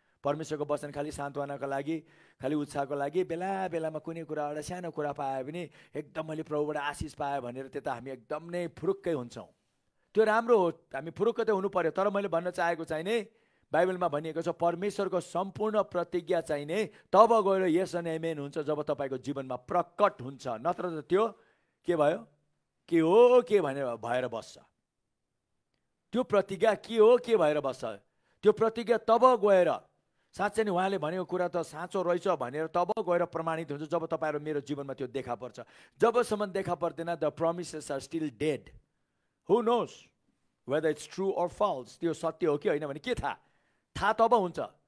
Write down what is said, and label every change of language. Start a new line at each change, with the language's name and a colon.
Nepali: परमेश्वरको वचन खालि सान्त्वनाको लागि, खालि उत्साहको लागि, बेला बेलामा कुनै कुराबाट सानो कुरा पाए पनि एकदम मैले प्रभुबाट आशिष पाएँ भनेर त्यता हामी एकदम नै फुरुक्कै हुन्छौँ। त्यो राम्रो हो, हामी फुरुक्क त हुनु पऱ्यो। तर मैले भन्न चाहेको चाहिँ नि बाइबलमा भनिएको छ, परमेश्वरको सम्पूर्ण प्रतिज्ञा चाहिँ नि तब गएर यस अनि आमेन हुन्छ जब तपाईँको जीवनमा प्रकट हुन्छ। नत्र त त्यो के भयो, के हो के भनेर भएर बस्छ। त्यो प्रतिज्ञा के हो के भएर बस्छ, त्यो प्रतिज्ञा तब गएर साँच्चै नै उहाँले भनेको कुरा त साँचो रहेछ भनेर तब गएर प्रमाणित हुन्छ जब तपाईँहरू मेरो जीवनमा त्यो देखा पर्छ। जबसम्म देखा पर्दैन,
English: the promises are still dead, who knows whether it's true or false,
Nepali: त्यो सत्य हो कि होइन भने के थाहा तब हुन्छ।